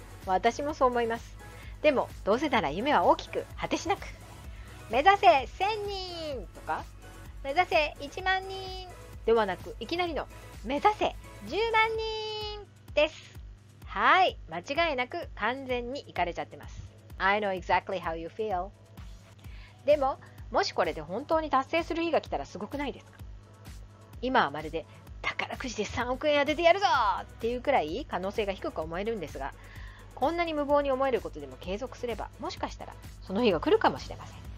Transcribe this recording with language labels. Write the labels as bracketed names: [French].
[Japanese] 私もそう思います。でもどうせなら夢は大きく、果てしなく、目指せ1000人とか目指せ1万人ではなく、いきなりの目指せ10万人です。はい、間違いなく完全にイカれちゃってます。 [English] I know exactly how you feel。 [Japanese] でも、もしこれで本当に達成する日が来たらすごくないですか。今はまるで宝くじで3億円当ててやるぞっていうくらい可能性が低く思えるんですが、こんなに無謀に思えることでも継続すれば、もしかしたらその日が来るかもしれません。